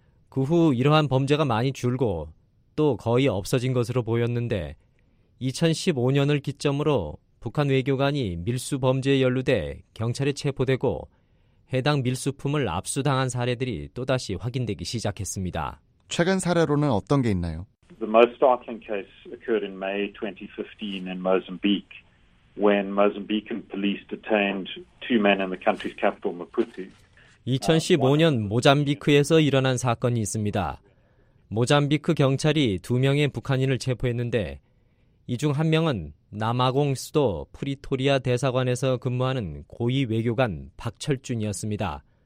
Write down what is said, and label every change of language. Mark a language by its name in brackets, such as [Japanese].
[Korean] 그 후 이러한 범죄가 많이 줄고 또 거의 없어진 것으로 보였는데 2015년을 기점으로 북한 외교관이 밀수 범죄에 연루돼 경찰에 체포되고 해당 밀수품을 압수당한 사례들이 또다시 확인되기 시작했습니다. 최근 사례로는 어떤 게 있나요? [English] The most startling case occurred in May 2015 in Mozambique when Mozambican police detained two men in the country's capital Maputo. [Korean] 2015년 모잠비크에서 일어난 사건이 있습니다. 모잠비크 경찰이 두 명의 북한인을 체포했는데 이 중 한 명은 남아공 수도 프리토리아 대사관에서 근무하는 고위 외교관 박철준이었습니다.